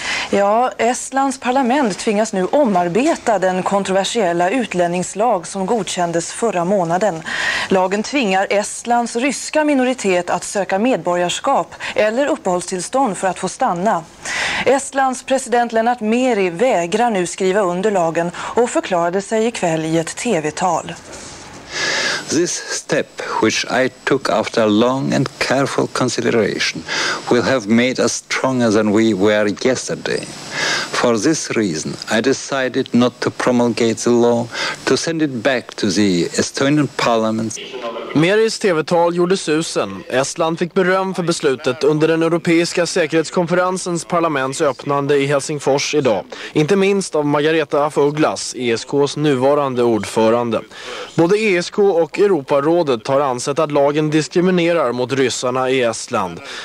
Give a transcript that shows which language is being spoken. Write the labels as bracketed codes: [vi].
[sv] Ja, Estlands parlament tvingas nu omarbeta den kontroversiella utlänningslag som godkändes förra månaden. Lagen tvingar Estlands ryska minoritet att söka medborgarskap eller uppehållstillstånd för att få stanna. Estlands president Lennart Meri vägrar nu skriva under lagen och förklarade sig ikväll i ett tv-tal. [en] This step, which I took after long and careful consideration, will have made us stronger than we were yesterday. For this reason, I decided not to promulgate the law, to send it back to the Estonian parliament. [sv] Meris TV-tal gjorde susen. Estland fick beröm för beslutet under den europeiska säkerhetskonferensens parlaments öppnande i Helsingfors idag. Inte minst av Margareta af Ugglas, ESKs nuvarande ordförande. Både ESK och Europarådet har ansett att lagen diskriminerar mot ryssarna i Estland.